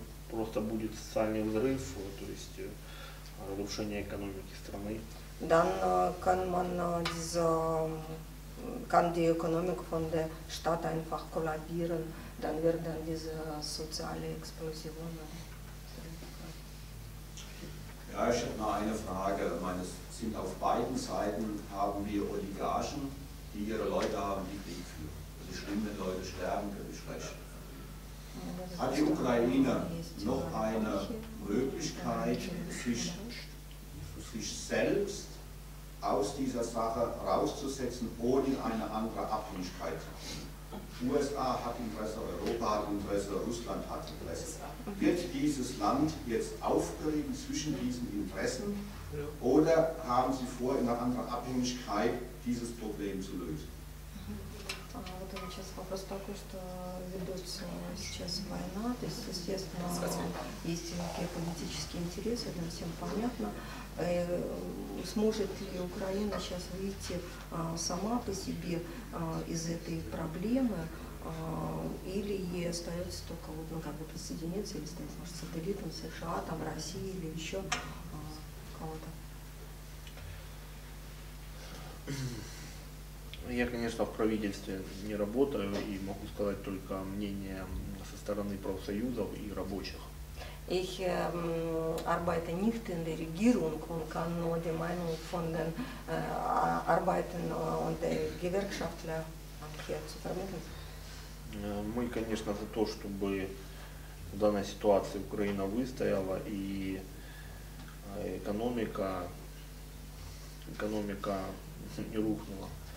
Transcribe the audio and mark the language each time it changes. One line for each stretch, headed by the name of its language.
Russian: Просто будет социальный взрыв, то есть разрушение экономики страны.
German: Dann kann die Ökonomik von der Stadt einfach kollabieren, dann werden diese soziale Explosionen. Ja, ich habe noch eine Frage. Meines sind auf beiden Seiten haben wir Oligarchen, die ihre Leute haben, die Krieg führen. wie schlimm wenn Leute sterben, wie schlecht. Hat die Ukraine noch eine Möglichkeit, sich selbst aus dieser Sache rauszusetzen, ohne eine andere Abhängigkeit zu kommen? USA hat Interesse, Europa hat Interesse, Russland hat Interesse. Wird dieses Land jetzt aufgerieben zwischen diesen Interessen oder haben Sie vor, in einer anderen Abhängigkeit dieses Problem zu lösen?
Russian: Вот он сейчас вопрос такой, что ведется сейчас война, то есть, естественно, есть некие политические интересы, это всем понятно. И сможет ли Украина сейчас выйти сама по себе из этой проблемы, или ей остается только вот, ну, как бы присоединиться или стать, может, сателлитом США, там, России или еще кого-то? Я, конечно, в правительстве не работаю и могу сказать только мнение со стороны профсоюзов и рабочих.
German: Ich arbeite nicht in der Regierung und kann nur die Meinung von den Arbeitern und der Gewerkschaftler hier zu vermitteln.
Russian: Мы, конечно, за то, чтобы в данной ситуации Украина выстояла и экономика не рухнула.